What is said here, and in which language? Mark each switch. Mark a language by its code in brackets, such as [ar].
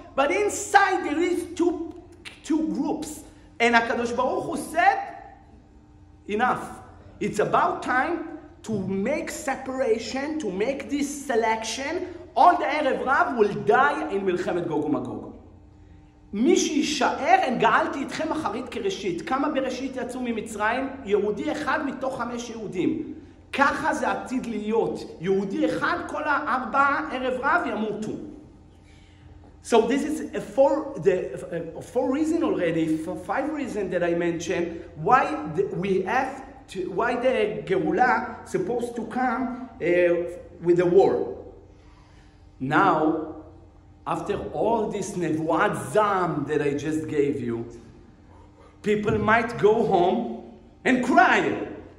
[en] But inside there is two groups. And הקדוש ברוך הוא said, enough. It's about time to make separation, to make this selection. All the ערב רב will die in מלחמת גוג ומגוג. [he] מי שישאר, אם גאלתי אתכם אחרית כראשית. כמה בראשית יצאו ממצרים? יהודי אחד מתוך חמש יהודים. ככה זה עתיד להיות. יהודי אחד, כל הארבע ערב רב ימותו. [en] So this is a four, the four reason already, for five reason that I mentioned, why we have to, why the Geula supposed to come with the war. Now, after all this Nevuat Zam that I just gave you, people might go home and cry.